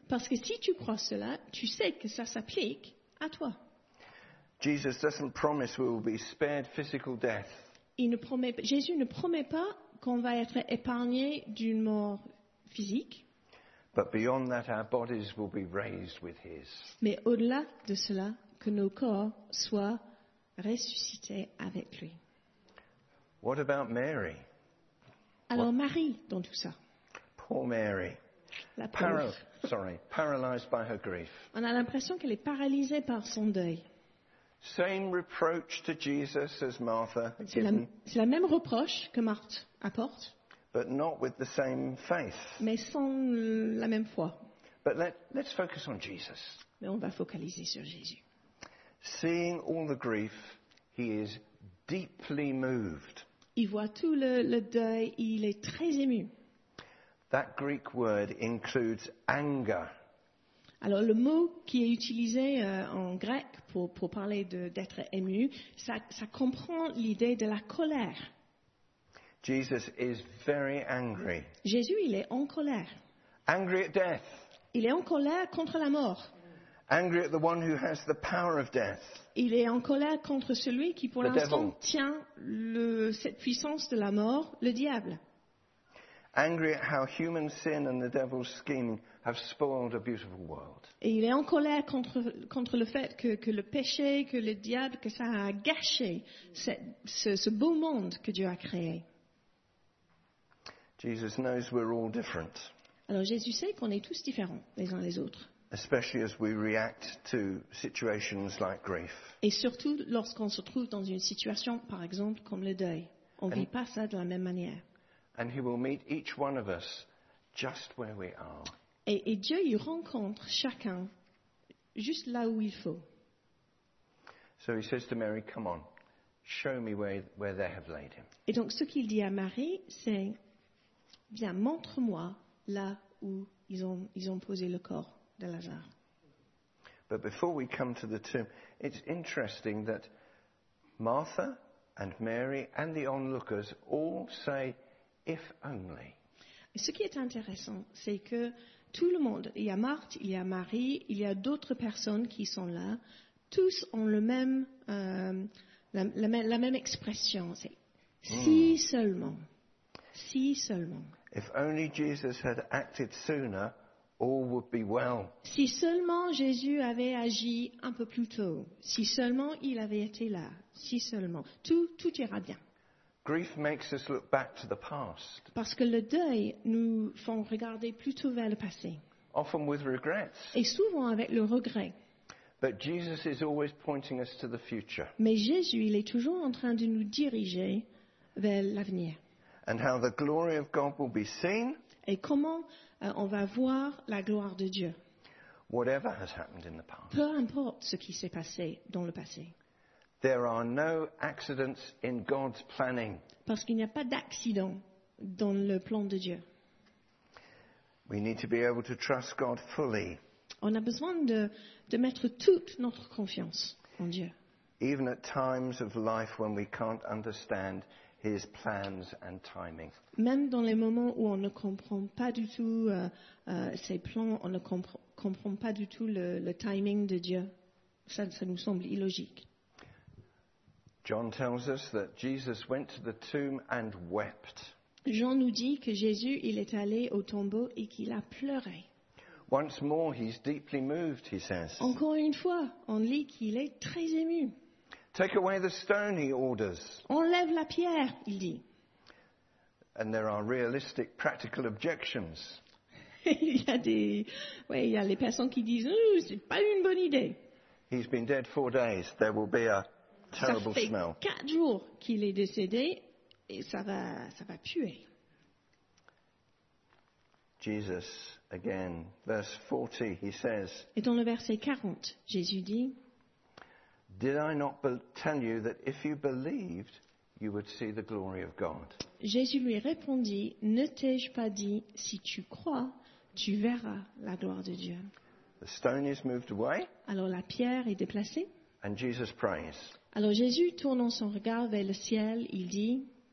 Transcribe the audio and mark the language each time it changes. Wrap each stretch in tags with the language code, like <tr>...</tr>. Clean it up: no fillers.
<fr>Parce que si tu crois cela, tu sais que ça s'applique à toi.</fr> <en>Jesus doesn't promise we will be spared physical death.</en> <fr>Jésus ne promet pas qu'on va être épargné d'une mort physique.</fr> <en>But beyond that, our bodies will be raised with his.</en> <fr>Mais au-delà de cela, que nos corps soient ressuscités avec lui.</fr> <en>What about Mary?</en> <fr>Alors Marie dans tout ça.</fr> <en>Poor Mary.</en> <fr>La pauvre.</fr> <en>Paralyzed by her grief.</en> <fr>On a l'impression qu'elle est paralysée par son deuil.</fr> <en>Same reproach to Jesus as Martha.</en> <fr>C'est la même reproche que Marthe apporte.</fr> <en>But not with the same faith.</en> <fr>Mais sans la même foi.</fr> <en>But let's focus on Jesus.</en> <fr>Mais on va focaliser sur Jésus.</fr> <en>Seeing all the grief, he is deeply moved.</en> <fr>Il voit tout le deuil, il est très ému.</fr> <en>That Greek word includes anger.</en> <fr>Alors le mot qui est utilisé en grec pour parler d'être ému, ça comprend l'idée de la colère.</fr> <en>Jesus is very angry.</en> <fr>Jésus, il est en colère.</fr> <en>Angry at death.</en> <fr>Il est en colère contre la mort.</fr> <en>Angry at the one who has the power of death.</en> <fr>Il est en colère contre celui qui pour l'instant tient cette puissance de la mort, le diable.</fr> <en>Angry at how human sin and the devil's scheming have spoiled a beautiful world.</en> <fr>Et il est en colère contre le fait que le péché, que le diable, que ça a gâché ce beau monde que Dieu a créé.</fr> <en>Jesus knows we're all different.</en> <fr>Alors Jésus sait qu'on est tous différents les uns les autres.</fr> <en>Especially as we react to situations like grief.</en> <fr>Et surtout lorsqu'on se trouve dans une situation, par exemple, comme le deuil. On ne vit pas ça de la même manière.</fr> <en>And he will meet each one of us just where we are.</en> <fr>Et Dieu y rencontre chacun juste là où il faut.</fr> <en>So he says to Mary, come on, show me where they have laid him.</en> <fr>Et donc ce qu'il dit à Marie, c'est, viens, montre-moi là où ils ont posé le corps.</fr> <en>But before we come to the tomb, it's interesting that Martha and Mary and the onlookers all say, "If only."</en> <fr>Ce qui est intéressant, c'est que tout le monde, il y a Marthe, il y a Marie, il y a d'autres personnes qui sont là, tous ont la même expression, c'est si seulement. Si seulement.</fr> <en>If only Jesus had acted sooner, all would be well.</en> <fr>Si seulement Jésus avait agi un peu plus tôt. Si seulement il avait été là. Si seulement. Tout ira bien.</fr> <en>Grief makes us look back to the past.</en> <fr>Parce que le deuil nous fait regarder plutôt vers le passé.</fr> <en>Often with regrets.</en> <fr>Et souvent avec le regret.</fr> <en>But Jesus is always pointing us to the future.</en> <fr>Mais Jésus, il est toujours en train de nous diriger vers l'avenir.</fr> <en>And how the glory of God will be seen.</en> <fr>Et comment on va voir la gloire de Dieu.</fr> <en>Whatever has happened in the past.</en> <fr>Peu importe ce qui s'est passé dans le passé.</fr> <en>There are no accidents in God's planning.</en> <fr>Parce qu'il n'y a pas d'accident dans le plan de Dieu.</fr> <en>We need to be able to trust God fully.</en> <fr>On a besoin de mettre toute notre confiance en Dieu.</fr> <en>Even at times of life when we can't understand His plans and timing.</en> <fr>Même dans les moments où on ne comprend pas du tout ses plans, on ne comprend pas du tout le timing de Dieu. Ça nous semble illogique.</fr> <en>John tells us that Jesus went to the tomb and wept.</en> <fr>Jean nous dit que Jésus, il est allé au tombeau et qu'il a pleuré.</fr> <en>Once more, he's deeply moved, he says.</en> <fr>Encore une fois, on lit qu'il est très ému.</fr> <en>Take away the stone, he orders.</en> <fr>Enlève la pierre, il dit.</fr> <en>And there are realistic, practical objections.</en> <fr>il y a les personnes qui disent, c'est pas une bonne idée.</fr> <en>He's been dead 4 days. There will be a terrible smell.</en> <fr>Ça fait 4 jours qu'il est décédé et ça va puer.</fr> <en>Jesus, again, verse 40, he says.</en> <fr>Et dans le verset 40, Jésus dit.</fr> <en>Did I not tell you that if you believed, you would see the glory of God?</en> <fr>Jésus lui répondit, ne t'ai-je pas dit, si tu crois, tu verras la gloire de Dieu.</fr> <en>The stone is moved away.</en> <fr>Alors la pierre est déplacée.</fr> <en>And Jesus prays.</en> <fr>Alors Jésus, tournant son regard vers le ciel, il dit.</fr>